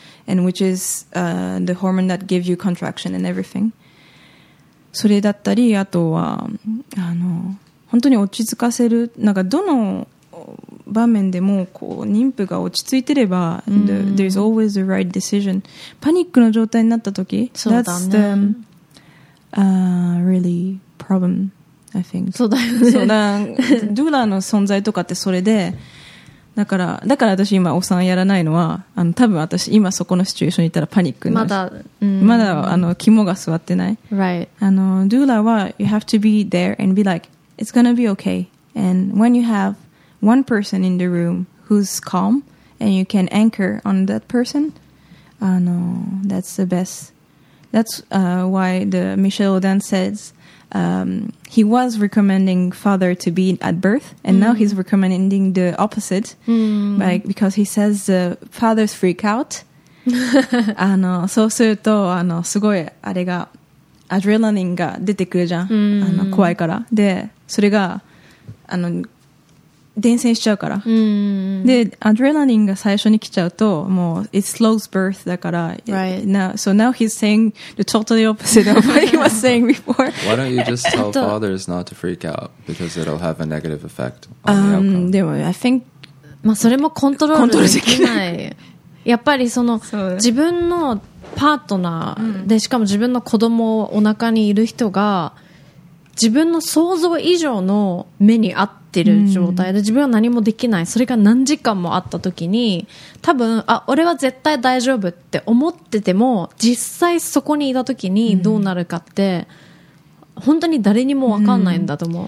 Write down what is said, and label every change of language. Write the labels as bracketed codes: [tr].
[en] And which is the hormone that gives you contraction and everything. [ja] それだったり、あとはあの本当に落ち着かせる。なんかどの場面でもこう妊婦が落ち着いてれば、 [en] there's always the right decision. [ja] パニックの状態になった時、そうだね、 [en] that's the really problem, I think. [ja] そうだよね。そうだ。ドゥーラーの存在とかってそれで。だから私今お産やらないのはあの多分私今そこのシチュエーションにいたらパニックになるまだ、うん、まだあの肝が座ってない、 [en] right. [ja] あのドゥーラは [en] You have to be there and be like It's gonna be okay And when you have one person in the room Who's calm And you can anchor on that person あの That's the best That's why the Michel Odan saysHe was recommending father to be at birth, and now he's recommending the opposite, like because he says the fathers freak out. [ja] あのそうするとあのすごいあれがアドレナリンが出てくるじゃん。あの怖いからでそれがあの伝染しちゃうから。でアドレナリンが最初に来ちゃうともう [en] it slows birth [ja] だから。 [en] Right. Now, so now he's saying the totally opposite of what he was saying before. Why don't you just tell fathers not to freak out because it'll have a negative effect on the outcome? [ja] でも [en] I think [ja] まあそれもコントロールできない。やっぱりその自分のパートナーでしかも自分の子供をお腹にいる人が自分の想像以上の目に合ってる状態で、うん、自分は何もできない、それが何時間もあった時に多分あ俺は絶対大丈夫って思ってても実際そこにいた時にどうなるかって、うん、本当に誰にも分かんないんだと思う、う